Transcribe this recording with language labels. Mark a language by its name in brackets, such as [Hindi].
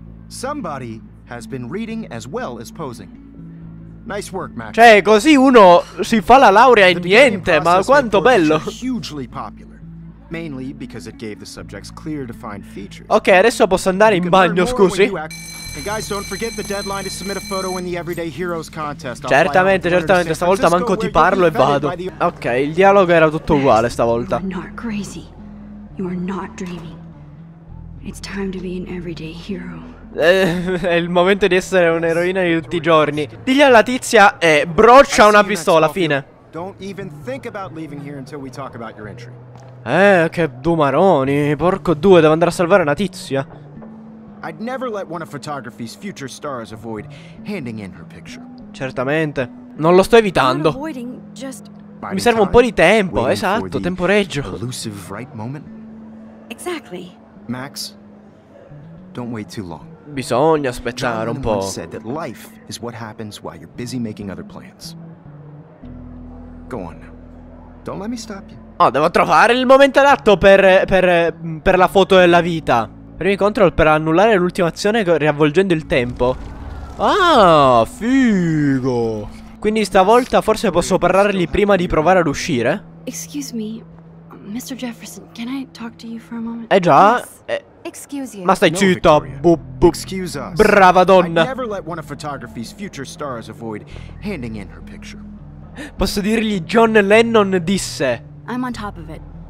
[English] Somebody has been reading as well as posing. Nice work, Max. [Italian] Cioè, così uno si fa la laurea in niente, ma quanto bello. [English] Hugely popular, mainly because it gave the subjects clear defined features. [Italian] Ok, adesso posso andare in bagno, scusi. [English] And guys, don't forget the deadline to submit a photo in the Everyday Heroes contest. [Italian] Certamente, certamente, stavolta manco ti parlo e vado. Ok, il dialogo era tutto uguale stavolta. [English] You're not crazy. You are not dreaming. It's time to be an everyday hero. [Italian] È il momento di essere un'eroina di tutti i giorni. Digli alla tizia e broccia una pistola, fine. [English] Don't even think about leaving here until we talk about your entry. [Italian] Che dumaroni, porco due, devo andare a salvare una tizia. [English] I'd never let one of photography's future stars avoid handing in her picture. [Italian] Certamente, non lo sto evitando. Mi serve un po' di tempo, esatto, temporeggio. [English] Elusive right moment. Exactly. Max, don't wait too long. [Italian] Bisogna aspettare un po'. [English] Said that life is what happens while you're busy making other plans. Go on now. Don't let me stop you. [Italian] Oh, devo trovare il momento adatto per la foto della vita. Premi control per annullare l'ultima azione riavvolgendo il tempo. Ah, figo. Quindi stavolta forse posso parlargli prima di provare ad uscire? [English] Excuse me, Mr. Jefferson, can I talk to you for a moment? [Italian] Eh già. [English] Excuse you. [Italian] Ma stai zitto. [English] Excuse us. [Italian] Brava donna. [English] I never let one of photography's future stars avoid handing in her picture. [Italian] Posso dirgli John Lennon disse. [English] I'm on top of it.